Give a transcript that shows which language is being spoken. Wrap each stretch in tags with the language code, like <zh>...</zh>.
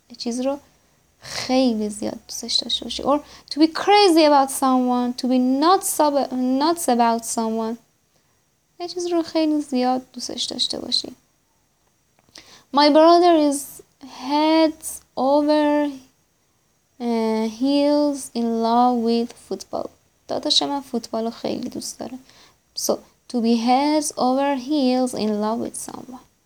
<fa>یه چیز رو خیلی زیاد دوستش داشته باشی.</fa> <en>Or to be crazy about someone. To be nuts about someone.</en> <fa>یه چیز رو خیلی زیاد دوستش داشته باشی.</fa> <en>My brother is head over heels in love with football.</en> <fa>داداش من فوتبال رو خیلی دوست داره.</fa> <en>So, to be heads over heels in love with someone.</en>